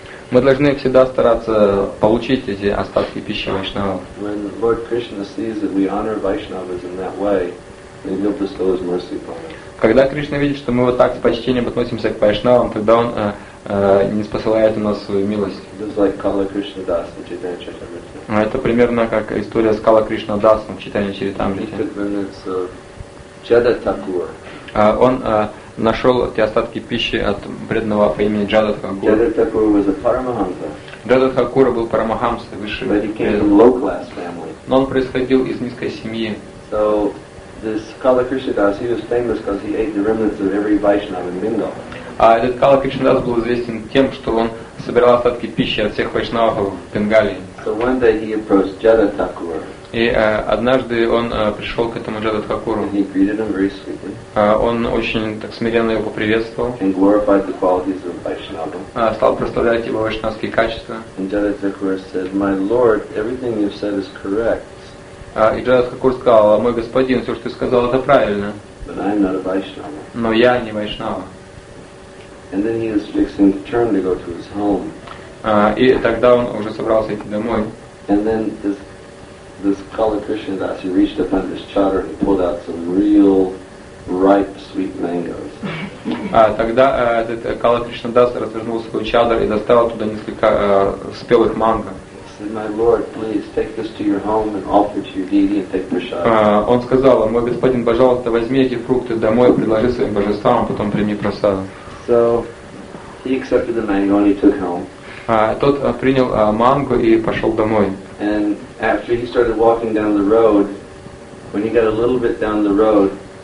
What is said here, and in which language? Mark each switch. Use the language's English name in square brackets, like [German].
[Russian] Мы должны всегда стараться получить эти остатки пищи Вайшнава. [English] When Lord Krishna sees that we honor Vaishnavas in that way, and he'll bestow his mercy upon us. [Russian] Когда Кришна видит, что мы вот так с почтением относимся к Вайшнавам, тогда он не спосылает у нас свою милость. [English] It's like Kala Krishna Das in Chaitanya Charitamrita. [Russian] Это примерно как история с Кала Кришна Дас в Чайтанья Чаритамрите. Он нашел те остатки пищи от преданного по имени Джада Такур. [English] Джада Такур was a Парамахамса. [Russian] Джада Такур был Парамахамса, высший. [English] But he came from low class family. [Russian] Но он происходил из низкой семьи. [English] So this Kala Krishna Das, he was famous because he ate the remnants of every Vaishnava in Bengal. [Russian] А этот Кала Кришна Дас был известен тем, что он собирал остатки пищи от всех вайшнавов в Бенгалии. [English] So one day he approached Jada Thakur. [Russian] И однажды он пришел к этому Джада Такуру. [English] He greeted him very sweetly. [Russian] Он очень так смиренно его поприветствовал. [English] And glorified the qualities of Vaishnava. [Russian] Стал прославлять его вайшнавские качества. [English] And Jada Thakur said, "My lord, everything you've said is correct." [Russian] И Джада Такур сказал: "Мой господин, все, что ты сказал, это правильно. [English] But I'm not a Vaishnava." [Russian] Но я не вайшнава. [English] And then he was fixing to turn to go to his home. [Russian] И тогда он уже собрался идти домой. [English] And then this Kala Krishna Das, he reached up under his chadar and pulled out some real ripe, sweet mangoes. [Russian] Тогда этот Кала Кришна Дас развернул свой чадар и достал оттуда несколько спелых манго. [English] My lord, please take this to your home and offer to your deity and take prasad. [Russian] Он сказал: "Мой господин, пожалуйста, возьми эти фрукты домой, предложи своим божествам, а потом прими прасад." [English] So he accepted the mango and he took home. [Russian] Тот принял манго и пошел домой. [English] And after he started walking down the road, when he got a little bit down the road,